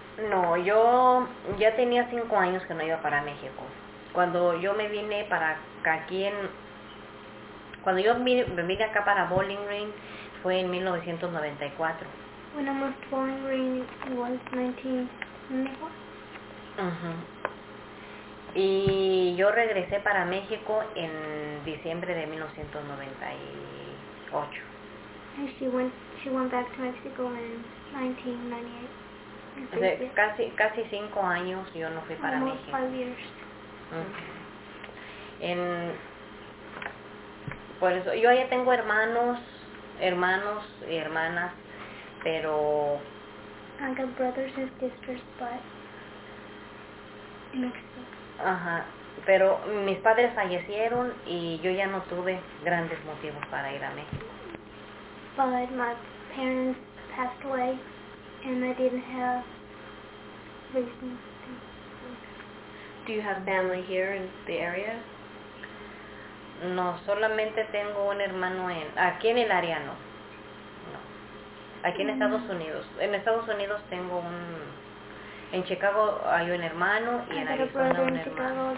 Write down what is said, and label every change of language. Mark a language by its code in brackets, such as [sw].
[es] No, yo ya tenía 5 años que no iba para México. Cuando yo me vine para aquí en... cuando yo me vine acá para Bowling Green, fue en 1994. [en] When I moved to Bowling Green, it was 1994. [es] Uh-huh. Y yo regresé para México en diciembre de 1998. [en] And she went back to Mexico in 1998. [es] O sea, casi 5 años yo no fui para [en] almost [es] México. [en] Almost 5 years. Uh-huh. [es] Por eso, yo ya tengo hermanos y hermanas, pero... [en] I got brothers and sisters, but... Mexico. [es] Ajá, pero mis padres fallecieron y yo ya no tuve grandes motivos para ir a México. [en] But my parents passed away and I didn't have reasons to... Do you have family here in the area? [es] No, solamente tengo un hermano aquí en el área no. No. Aquí en Estados Unidos. En Estados Unidos tengo en Chicago hay un hermano y en Arizona un hermano.